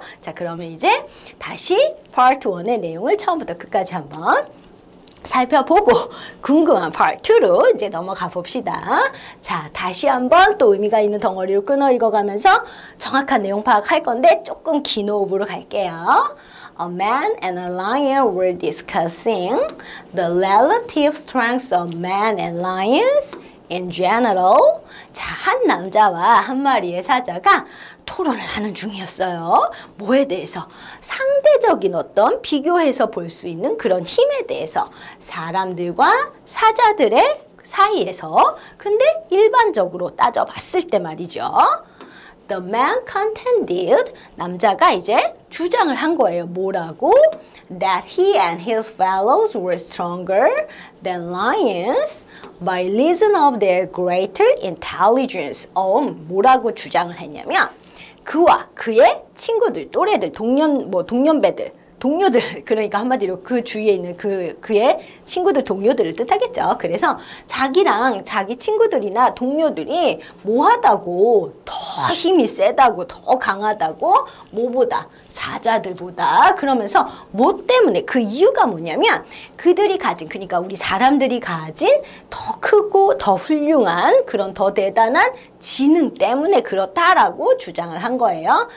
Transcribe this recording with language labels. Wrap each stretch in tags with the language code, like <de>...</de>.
<ko>자, 그러면 이제 다시 part 1의 내용을 처음부터 끝까지 한번 살펴보고 궁금한 part 2로 이제 넘어가 봅시다. 자, 다시 한번 또 의미가 있는 덩어리로 끊어 읽어가면서 정확한 내용 파악할 건데 조금 긴 호흡으로 갈게요.</ko> <en>A man and a lion were discussing the relative strengths of men and lions in general.</en> <ko>자, 한 남자와 한 마리의 사자가 토론을 하는 중이었어요. 뭐에 대해서? 상대적인 어떤 비교해서 볼 수 있는 그런 힘에 대해서 사람들과 사자들의 사이에서 근데 일반적으로 따져봤을 때 말이죠.</ko> <en>The man contended,</en> <ko>남자가 이제 주장을 한 거예요. 뭐라고?</ko> <en>That he and his fellows were stronger than lions by reason of their greater intelligence.</en> <ko>뭐라고 주장을 했냐면 그와 그의 친구들, 또래들, 동료들, 그러니까 한마디로 그 주위에 있는 그의 친구들, 동료들을 뜻하겠죠. 그래서 자기랑 자기 친구들이나 동료들이 뭐하다고 더 힘이 세다고, 더 강하다고, 뭐보다, 사자들보다, 그러면서 뭐 때문에, 그 이유가 뭐냐면 그들이 가진, 그러니까 우리 사람들이 가진 더 크고 더 훌륭한 그런 더 대단한 지능 때문에 그렇다라고 주장을 한 거예요.</ko>